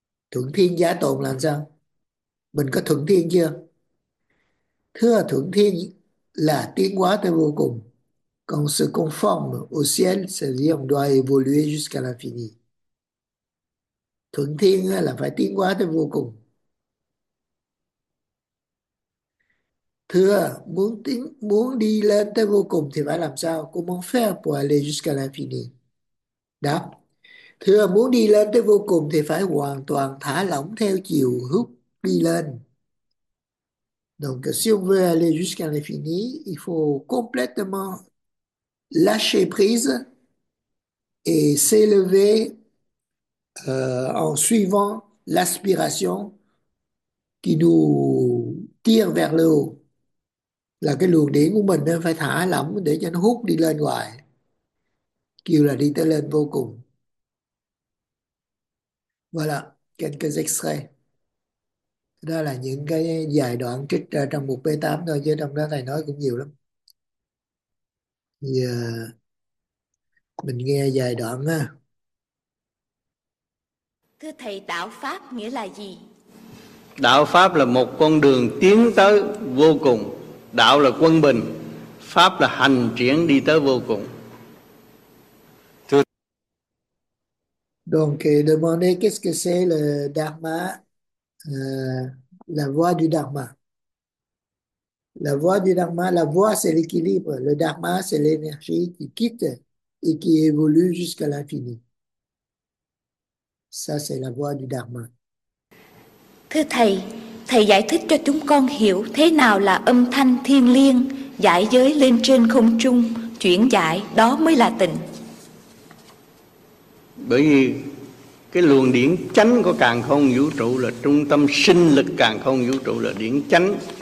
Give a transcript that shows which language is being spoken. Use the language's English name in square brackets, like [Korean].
[Vietnamese] Thuận thiên giả tồn là sao? Mình có thuận thiên chưa? Thưa, thuận thiên là tiến hóa tới vô cùng. [French] Quand on se conforme au ciel, c'est-à-dire on doit évoluer jusqu'à l'infini. [Vietnamese] Thuận thiên là phải tiến hóa tới vô cùng. Thưa, muốn đi lên tới vô cùng thì phải làm sao? [French] Comment faire pour aller jusqu'à l'infini? [Vietnamese] Đáp, thưa, muốn đi lên tới vô cùng thì phải hoàn toàn thả lỏng theo chiều hướng đi lên. [French] Donc, si on veut aller jusqu'à l'infini, il faut complètement lâcher prise et s'élever en suivant l'aspiration qui nous tire vers le haut. [Vietnamese] Là cái luồng điện của mình nên phải thả lỏng để cho nó hút đi lên ngoài. Kêu là đi tới lên vô cùng. [French] Voilà, quelques extraits. [Vietnamese] Đó là những cái giai đoạn trích ra trong mục B8 thôi, chứ trong đó thầy nói cũng nhiều lắm. Mình nghe vài đoạn ha. Thưa thầy, đạo pháp nghĩa là gì? Đạo pháp là một con đường tiến tới vô cùng. Đạo là quân bình, pháp là hành triển đi tới vô cùng. [French] Donc, demander qu'est-ce que c'est le dharma, la voie du dharma. La voie du dharma, la voie c'est l'équilibre. Le dharma c'est l'énergie qui quitte et qui évolue jusqu'à l'infini. Ça c'est la voie du dharma. [Vietnamese] Thưa thầy, thầy giải thích cho chúng con hiểu thế nào là âm thanh thiêng liêng, giải giới lên trên không trung, chuyển giải, đó mới là tịnh. Bởi vì cái luồng điển chánh của càn khôn vũ trụ là trung tâm sinh lực càn khôn vũ trụ là điển chánh.